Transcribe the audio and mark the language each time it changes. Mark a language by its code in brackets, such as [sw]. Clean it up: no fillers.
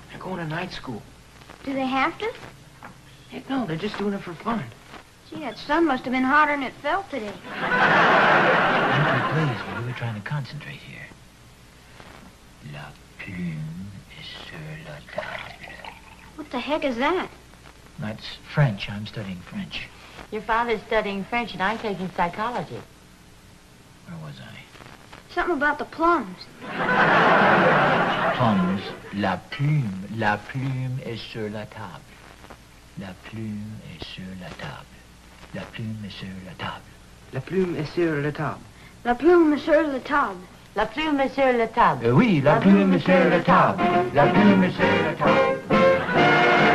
[en] They're going to night school. Do they have to? Heck no, they're just doing it for fun. Gee, that sun must have been hotter than it felt today. Please, we were trying to concentrate here. [fr] La plume est sur la table. [en] What the heck is that? That's French. I'm studying French. Your father's studying French and I'm taking psychology. Where was I? Something about the plums. Plums. [fr] La plume. La plume est sur la table. La plume est sur la table. La plume est sur la table. La plume est sur la table. La plume est sur la table. La plume est sur la table. Oui, la plume est sur la table. La plume est sur la table.